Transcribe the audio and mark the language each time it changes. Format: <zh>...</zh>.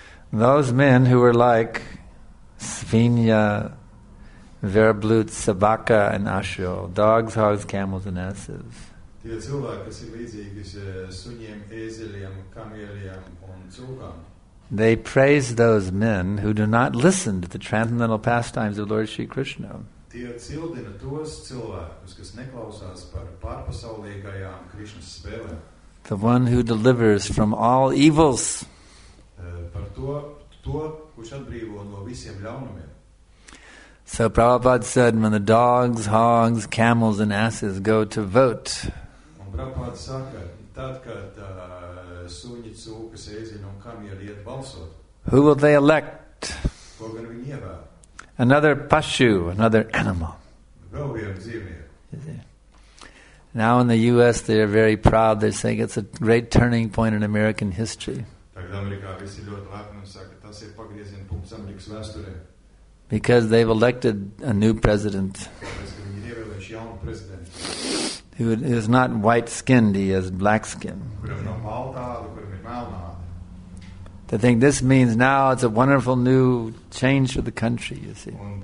<en>Those men who were like</en> <ru>Svinya, Verblut, Sabaka, and Ashio,</ru> <en>dogs, hogs, camels, and asses.</en> <lv>Tie cilvēki, kas ir līdzīgi suņiem, ēzeliem, kamieliem un cūkām.</lv> <en>They praise those men who do not listen to the transcendental pastimes of Lord Shri Krishna.</en> <lv>Tie cildina tos cilvēkus, kas neklausās par pārpasaulīgajām Krishnas spēlēm.</lv> <en>The one who delivers from all evils.</en> <lv>Par to, kurš atbrīvo no visiem ļaunumiem.</lv> <en>So Prabhupada said, when the dogs, hogs, camels and asses go to vote,</en> <lv>Prabhupāda saka, tad, kad suņi, cūkas, ēziņi un kamieri iet balsot.</lv> <en>Who will they elect?</en> <lv>Ko gan viņi ievēl?</lv> <en>Another pashu, another animal.</en> <lv>Vēl vienu dzīvnieku.</lv> <en>Now in the US they are very proud. They're saying it's a great turning point in American history.</en> <lv>Tagad Amerikā visi ļoti lepni un saka, tas ir pagrieziena punkts Amerikas vēsturē.</lv> <en>Because they've elected a new president.</en> <lv>Viņi ir ievēlējuši jaunu prezidentu.</lv> <en>Who is not white-skinned, he has black skin. They think this means now it's a wonderful new change for the country, you see.</en>